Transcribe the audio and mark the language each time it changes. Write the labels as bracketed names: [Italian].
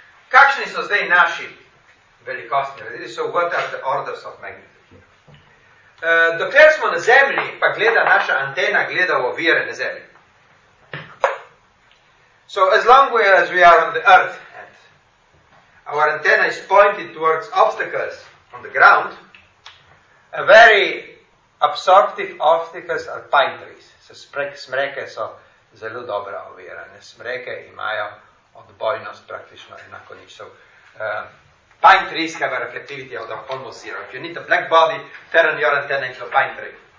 [Slovenian] Kakšni so zdaj naši velikostni razredi? [English] So what are the orders of magnitude? [Slovenian] Dokler smo na Zemlji, pa gleda naša antena, gleda v ovire na Zemlji. [English] So as long as we are on the Earth, and our antenna is pointed towards obstacles on the ground, a very absorptive obstacles are pine trees. [Slovenian] So smreke so zelo dobra ovirane. Smreke imajo odbojnost praktično enako nič. [English] So, pine trees have a reflectivity of almost zero. If you need a black body, turn your antenna into a pine tree.